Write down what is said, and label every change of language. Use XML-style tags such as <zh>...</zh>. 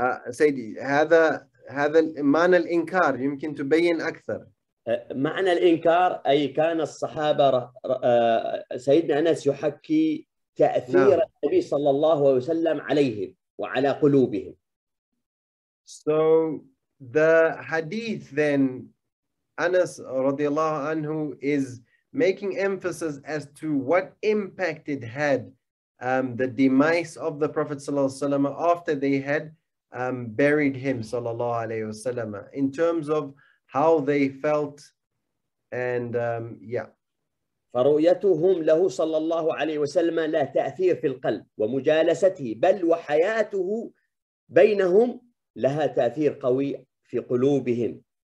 <ar>سيدي هذا هذا معنى الإنكار يمكن تبين أكثر. معنى الإنكار أي كان الصحابة سيدنا أنس يحكي تأثير نعم. النبي صلى الله عليه وسلم عليهم وعلى قلوبهم.</ar> <en>So the hadith then Anas رضي الله عنه is making emphasis as to what impact it had the demise of the Prophet صلى الله عليه وسلم after they had buried him صلى الله عليه وسلم in terms of how they felt and</en> <ar>فرؤيتهم له صلى الله عليه وسلم لا تأثير في القلب ومجالسته بل وحياته بينهم لها تأثير قوي في قلوبهم.</ar>